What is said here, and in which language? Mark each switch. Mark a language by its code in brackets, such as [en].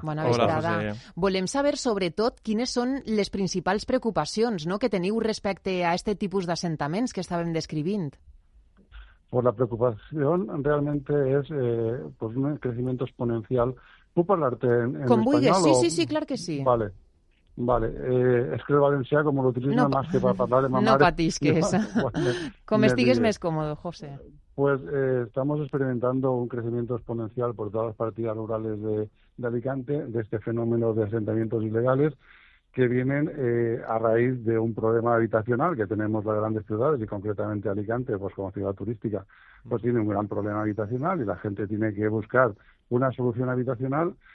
[ca] Bona vesprada. Volem saber, sobretot, quines són les principals preocupacions, no?, que teniu respecte a aquest tipus d'assentaments que estàvem descrivint. Pues la preocupació realment és pues un creixement exponencial. Puc parlar-te en espanyol? Com vulguis, sí, clar que sí. Vale. [es] Vale, es que el valencià, [ca] com l'utilitzo no, [es] más que para hablar de mamá... [ca] No patisques. Com estigues més cómodo, José. [es] Pues estamos experimentando un crecimiento exponencial por todas las partidas rurales de Alicante, de este fenómeno de asentamientos ilegales, que vienen a raíz de un problema habitacional que tenemos las grandes ciudades, y concretamente Alicante, pues como ciudad turística, pues tiene un gran problema habitacional y la gente tiene que buscar una solución habitacional.